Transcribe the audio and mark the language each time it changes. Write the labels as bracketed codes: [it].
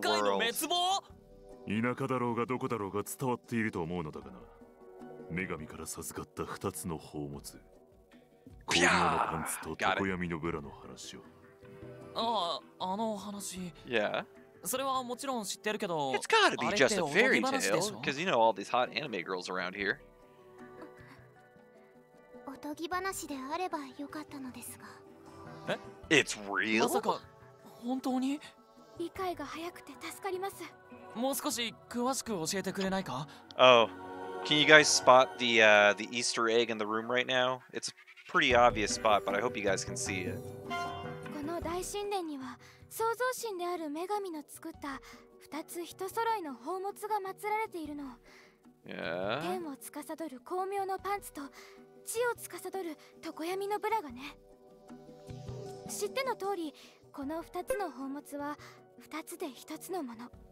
[ja] 世界の滅亡？田舎だろうがどこだろうが伝わっていると思うのだがな。女神から授かった二つの宝物、巧妙のパンツと常闇のブラの話を。ああの話。 [en] Yeah. [ja] それはもちろん知ってるけど。 [en] It's gotta be just a fairy tale, because you know all these hot anime girls around here. [ja] おとぎ話であればよかったのですが。え [en] ？It's real? [ja] まさか本当に？理解が早くて助かります。もう少し詳しく教えてくれないか？Oh. [en] Can you guys spot the Easter egg in the room right now? It's a pretty obvious spot, but I hope you guys can see it. [ja] この大神殿には創造神である女神の作った二つ一揃いの宝物が祀られているの。天を司る巧妙のパンツと地を司る常闇のブラがね。知っての通り、この二つの宝物は二つで一つのもの。